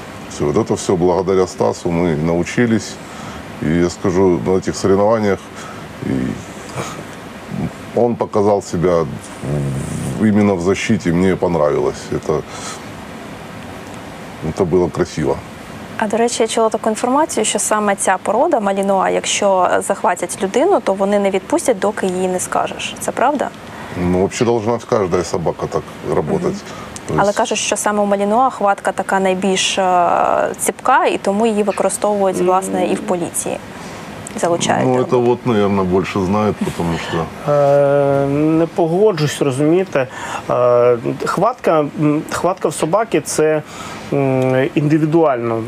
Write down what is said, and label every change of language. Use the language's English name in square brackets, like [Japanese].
[Russian] Все, вот это все благодаря Стасу мы научились. И я скажу, на этих соревнованиях и он показал себя именно в защите, мне понравилось. Это было красиво. [Ukrainian] А до речі, я чула таку інформацію, що саме ця порода малінуа, якщо захватять людину, то вони не відпустять, доки її не скажеш. Це правда? [Russian] Ну, вообще должна кожна собака так работать. Угу. [Ukrainian] Але кажуть, що саме у малінуа хватка така найбільш ціпка, і тому її використовують власне і в поліції. Залучає. [Russian] Ну, это вот, наверное, больше знает, потому что... [Ukrainian] Не погоджусь, розумієте. Хватка в собаки – це індивідуально.